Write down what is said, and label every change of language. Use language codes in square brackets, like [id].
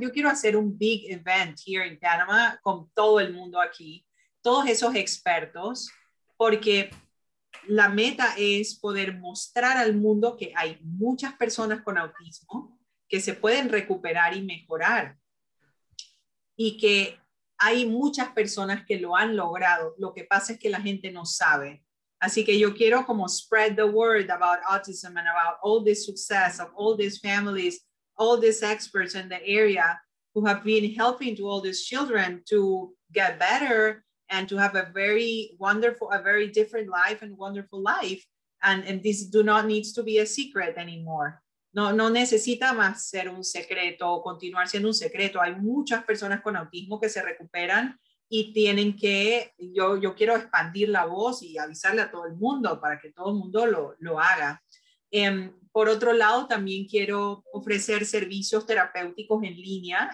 [es] Yo quiero hacer un [en] big event here in Panama [es] con todo el mundo aquí, todos esos expertos, porque la meta es poder mostrar al mundo que hay muchas personas con autismo que se pueden recuperar y mejorar. Y que hay muchas personas que lo han logrado. Lo que pasa es que la gente no sabe. Así que yo quiero como [en] spread the word about autism and about all this success of all these families, all these experts in the area who have been helping to all these children to get better and to have a very wonderful, a very different life and wonderful life. And this do not need to be a secret anymore. [es] No necesita más ser un secreto o continuar siendo un secreto. Hay muchas personas con autismo que se recuperan y tienen que, yo quiero expandir la voz y avisarle a todo el mundo para que todo el mundo lo haga. Por otro lado, también quiero ofrecer servicios terapéuticos en línea.